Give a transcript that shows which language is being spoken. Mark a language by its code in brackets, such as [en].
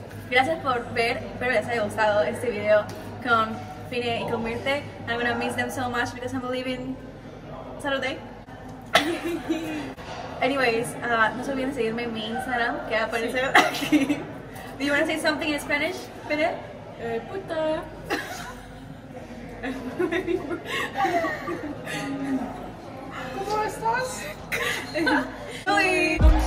[es] Gracias por ver, espero les haya gustado este video con Fine y con Mirte. [en] I'm gonna miss them so much because I'm leaving Saturday. [es] Anyways, no se olviden de seguirme en mi Instagram, que va a aparecer aquí. [en] Do you want to say something in Spanish, Fine? [es] Puta. ¿Cómo estás? Hoy.